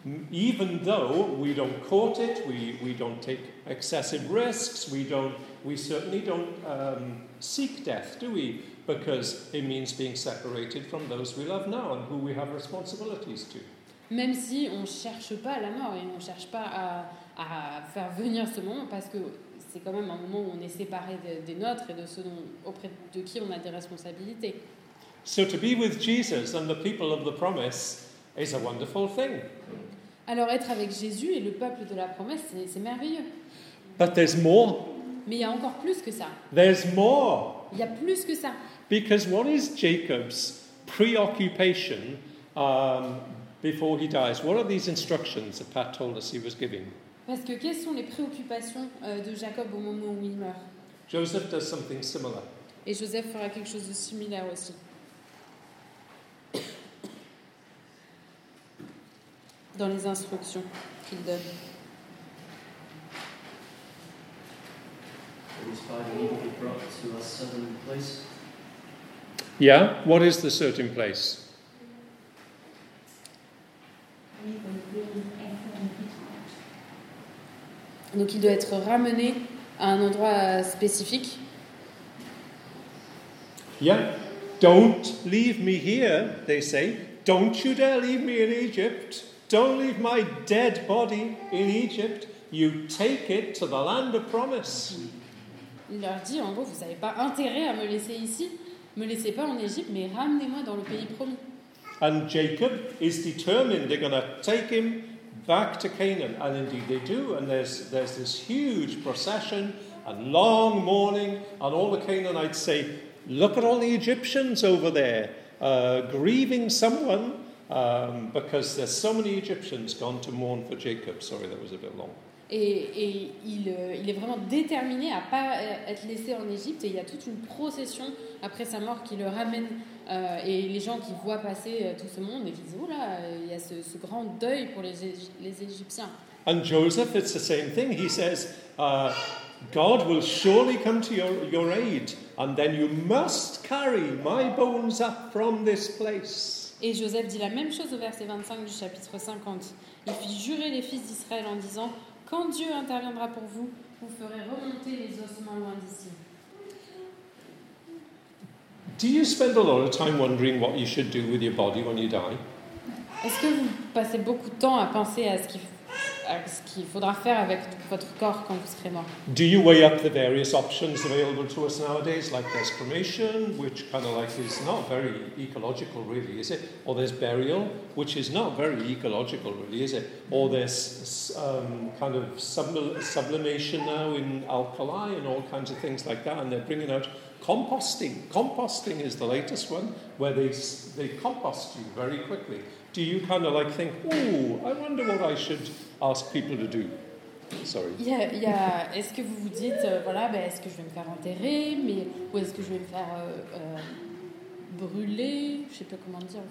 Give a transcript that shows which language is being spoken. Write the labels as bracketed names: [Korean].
[English] Even though we don't court it, we don't take excessive risks, we certainly don't seek death, do we? Because it means being separated from those we love now and who we have responsibilities to. [French] Même si on cherche pas la mort et on cherche pas à faire venir ce moment, parce que c'est quand même un moment où on est séparé des nôtres et de ceux auprès de qui on a des responsabilités. [English] So to be with Jesus and the people of the promise is a wonderful thing. [French] Alors être avec Jésus et le peuple de la promesse, c'est merveilleux. [English] But there's more. [French] Mais il y a encore plus que ça. [English] There's more. [French] Il y a plus que ça. [English] Because what is Jacob's preoccupation before he dies? What are these instructions that Pat told us he was giving? [French] Parce que quelles sont les préoccupations de Jacob au moment où il meurt? [English] Joseph does something similar. [French] Et Joseph fera quelque chose de similaire aussi. Dans les instructions qu'il donne. [English] It is five people he brought to a certain place. Yeah, what is the certain place? [French] Donc il doit être ramené à un endroit spécifique. [English] Yeah, don't leave me here, they say. Don't you dare leave me in Egypt. Don't leave my dead body in Egypt. You take it to the land of promise. [French] Il leur dit, en gros, vous n'avez pas intérêt à me laisser ici. Me laissez pas en Égypte, mais ramenez-moi dans le pays promis. [English] And Jacob is determined they're going to take him back to Canaan. And indeed they do. And there's this huge procession and long mourning. And all the Canaanites say, look at all the Egyptians over there grieving someone. Because there's so many Egyptians gone to mourn for Jacob. Sorry, that was a bit long. [French] Et il est vraiment déterminé à pas être laissé en Égypte. Et il y a toute une procession après sa mort qui le ramène. Et les gens qui voient passer tout ce monde et qui disent, oh là, il y a ce grand deuil pour les Égyptiens. [English] And Joseph, it's the same thing. He says, God will surely come to your aid, and then you must carry my bones up from this place. [French] Et Joseph dit la même chose au verset 25 du chapitre 50. Il fit jurer les fils d'Israël en disant, quand Dieu interviendra pour vous, vous ferez remonter les ossements loin d'ici. [English] Do you spend a lot of time wondering what you should do with your body when you die? [French] Est-ce que vous passez beaucoup de temps à penser à ce qu'il faudra faire avec votre corps quand vous serez mort? [English] Do you weigh up the various options available to us nowadays, like there's cremation, which kind of like is not very ecological really, is it? Or there's burial, which is not very ecological really, is it? Or there's kind of sublimation now in alkali and all kinds of things like that, and they're bringing out composting. Composting is the latest one, where they compost you very quickly. Do you kind of like think, oh, I wonder what I should ask people to do? Sorry. Yeah. [French] Est-ce que vous vous dites, voilà, ben, est-ce que je vais me faire enterrer, mais ou est-ce que je vais me faire brûler? Je sais pas comment dire.